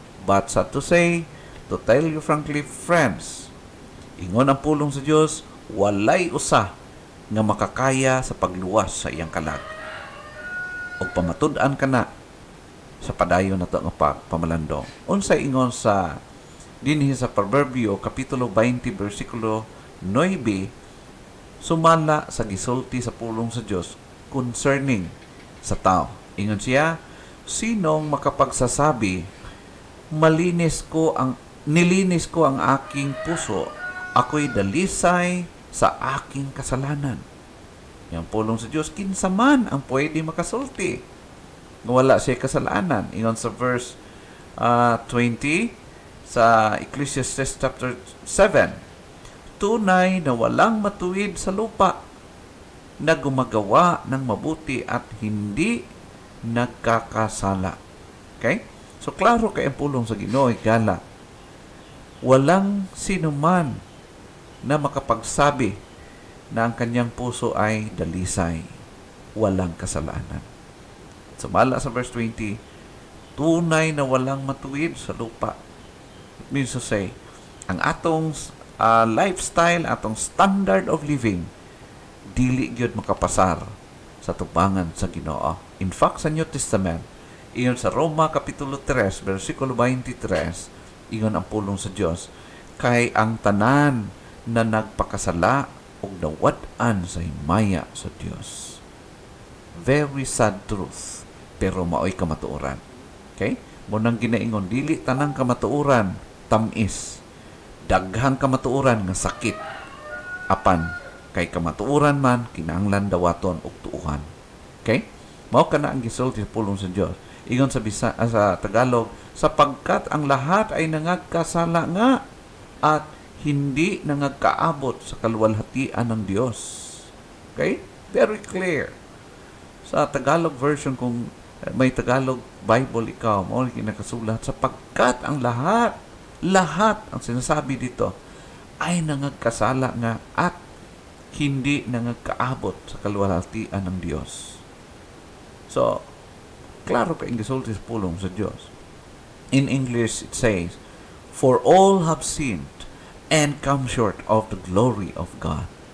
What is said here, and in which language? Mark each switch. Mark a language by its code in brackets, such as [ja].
[en] But sad to say, to tell you frankly, friends, [ceb] ingon ang pulong sa Diyos, walay usa nga makakaya sa pagluwas sa iyang kalag. Og pamatud-an ka na sa padayo na ito ang pagpamalandong. Unsa ingon sa dinhi sa Proverbio, Kapitulo 20, Versikulo 9, sumala sa gisulti sa pulong sa Diyos concerning sa tao. Ingon siya, [tl] sinong makapagsasabi, nilinis ko ang aking puso, ako'y dalisay sa aking kasalanan. [ceb] Yang pulong sa Diyos, kinsa man ang pwede makasulti nga wala siya kasalanan. Ingon sa verse 20 sa Ecclesiastes chapter 7, [tl] tunay na walang matuwid sa lupa na gumagawa ng mabuti at hindi nagkakasala. [en] Okay? [ceb] So klaro kay ang pulong sa Ginoo gala. [tl] Walang sino man na makapagsabi na ang kanyang puso ay dalisay, walang kasalanan. Sumala sa verse 20, tunay na walang matuwid sa lupa. [en] It means to say, [ceb] ang atong lifestyle, atong [en] standard of living, [ceb] dili gyud makapasar sa tubangan sa Ginoo. [en] In fact, [ceb] sa New Testament, iyon sa Roma Kapitulo 3, versikulo 23, iyon ang pulong sa Diyos, kay ang tanan na nagpakasala o nawad-an sa himaya sa Diyos. [en] Very sad truth, [ceb] pero maoy kamatuoran. Okay? Munang ginaingon, dili tanang kamatuoran, tamis. Daghang kamatuoran nga sakit. Apan, kay kamatuoran man, kinanglan dawaton o tuuhan. Okay? Mao ka na ang gisulti sa pulong sa Diyos. Ingon sa Tagalog, [tl] sapagkat ang lahat ay nangagkasala nga at hindi nangagkaabot sa kaluwalhatian ng Diyos. [en] Okay? Very clear. [ceb] Sa Tagalog version, kung may Tagalog Bible ikaw, mao ang kinakasulat, [tl] sapagkat ang lahat ang sinasabi dito ay nangagkasala nga at hindi nangagkaabot sa kaluwalhatian ng Diyos. [ceb] So, klaro pa ang gisulti sa pulong sa Diyos. [en] In English, it says, for all have sinned and come short of the glory of God.